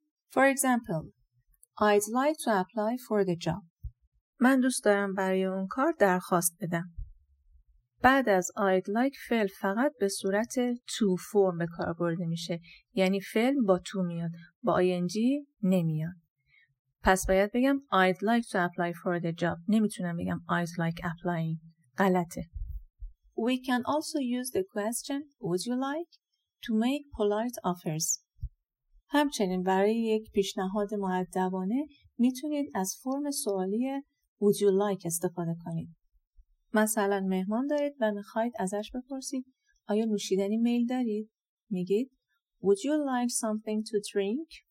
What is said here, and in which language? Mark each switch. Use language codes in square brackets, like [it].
[en] For example, I'd like to apply for the job. [fa] من دوست دارم برای اون کار درخواست بدم. بعد از I'd like فعل فقط به صورت to form به کار برده میشه، یعنی فعل با to میاد، با ing نمیاد. پس باید بگم [en] I'd like to apply for the job، [fa] نمیتونم بگم [en] I'd like applying، [fa] غلطه. [en] We can also use the question would you like to make polite offers. [fa] همچنین برای یک پیشنهاد مؤدبانه میتونید از فرم سوالی would you like استفاده کنید. مثلا مهمان دارید و میخواید ازش بپرسید آیا نوشیدنی میل دارید؟ میگید [en] Would you like something to drink?